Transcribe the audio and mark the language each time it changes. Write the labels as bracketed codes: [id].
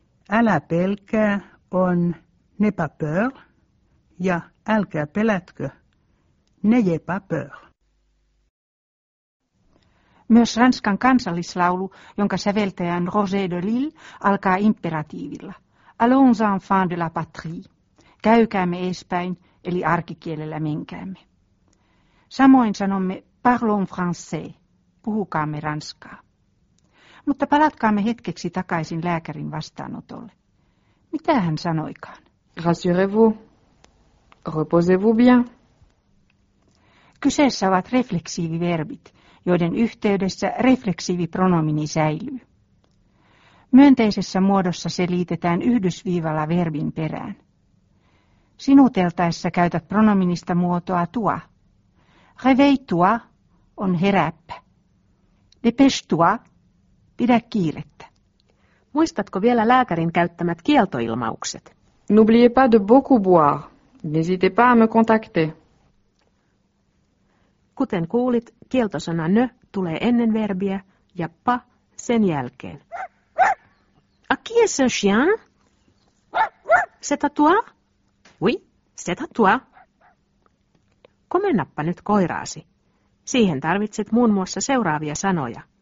[fi] Älä pelkää on [fr] ne pas peur [fi] ja älkää pelätkö. [fr] N'ayez pas peur. [fi] Myös Ranskan kansallislaulu, jonka säveltäjän Roger de Lille, alkaa imperatiivilla. [fr] Allons enfants de la patrie. [fi] Käykäämme edespäin, eli arkikielellä menkäämme. Samoin sanomme [fr] parlons français, [fi] puhukaamme ranskaa. Mutta palatkaamme hetkeksi takaisin lääkärin vastaanotolle. Mitä hän sanoikaan? [fr] Rassurez-vous. Reposez-vous bien. [fi] Kyseessä ovat refleksiiviverbit, joiden yhteydessä refleksiivipronomini säilyy. Myönteisessä muodossa se liitetään yhdysviivalla verbin perään. Sinuteltaessa käytät pronominista muotoa toi. [fr] Réveille-toi [fi] on heräppä. [fr] Dépêche-toi, [fi] pidä kiirettä. Muistatko vielä lääkärin käyttämät kieltoilmaukset? [fr] N'oubliez pas de beaucoup boire. N'hésitez pas à me contacter. [fi] Kuten kuulit, kieltosana nö tulee ennen verbiä ja pa sen jälkeen. [fr] A qui est ce chien? C'est à toi? Oui, c'est à toi. [fi] Komennappa nyt koiraasi. Siihen tarvitset muun muassa seuraavia sanoja.